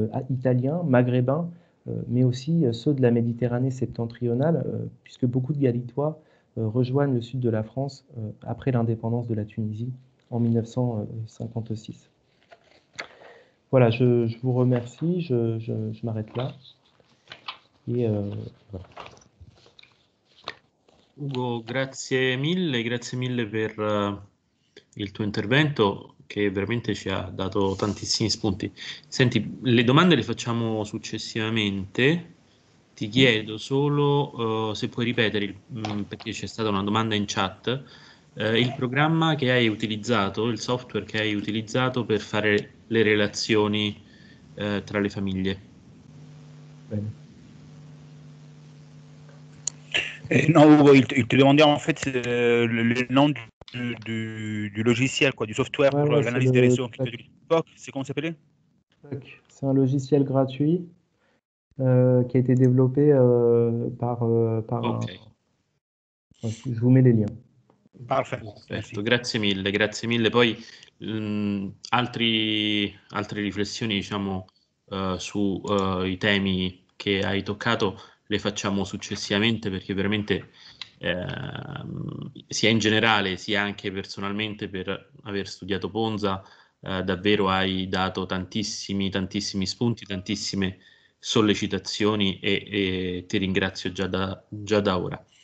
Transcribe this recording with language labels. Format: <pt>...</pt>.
<fr>italiens, maghrébins, mais aussi ceux de la Méditerranée septentrionale, puisque beaucoup de Galitois rejoignent le sud de la France après l'indépendance de la Tunisie en 1956. Voilà, je vous remercie, je m'arrête là.</fr> <it>Ugo, grazie mille per il tuo intervento che veramente ci ha dato tantissimi spunti. Senti, le domande le facciamo successivamente. Ti chiedo solo se puoi ripetere, perché c'è stata una domanda in chat, il programma che hai utilizzato, il software che hai utilizzato per fare le relazioni tra le famiglie. Bene.</it> <fr>No, Hugo, il te demandais en fait le nom du logiciel, quoi, du software pour Ouais, c'est l'analyse des le réseaux qui te dit TikTok, c'est comment ça s'appelait? TAC. C'est un logiciel gratuit qui a été développé par Ok. un. Enfin, je vous mets les liens. Parfait,</fr> <it>Perfetto,</it> <fr>merci.</fr> <it>Grazie mille, poi altre riflessioni, diciamo, sui temi che hai toccato. Le facciamo successivamente perché veramente sia in generale sia anche personalmente per aver studiato Ponza davvero hai dato tantissimi spunti, tantissime sollecitazioni e ti ringrazio già da ora.</it>